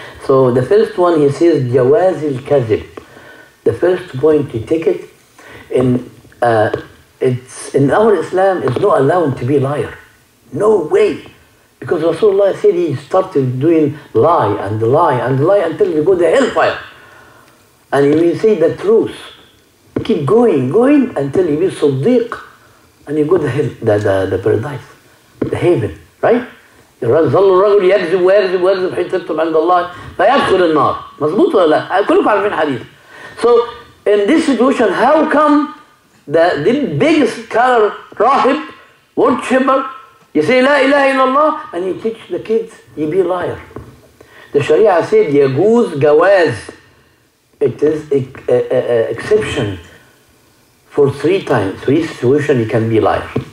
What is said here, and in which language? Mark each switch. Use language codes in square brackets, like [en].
[en] So the first one he says [ar] جواز الكذب. [en] The first point you take it in it's in our Islam it's not allowed to be liar. No way. Because Rasulullah said he started doing lie and lie and lie until you go to hellfire. And you will say the truth. Keep going until you be صديق and you go to hell, the paradise. The haven, right? [ar] يظل الرجل يكذب ويكذب ويكذب حين تكتب عند الله فيدخل النار. مظبوط ولا لا؟ كلكم عارفين الحديث. [en] So in this situation, how come the biggest scholar, راهب, worshipper, you say [ar] لا إله إلا الله [en] and you teach the kids, you be a liar. The Sharia said [ar] يجوز جواز. [en] It is exception for three times, three situations you can be a liar.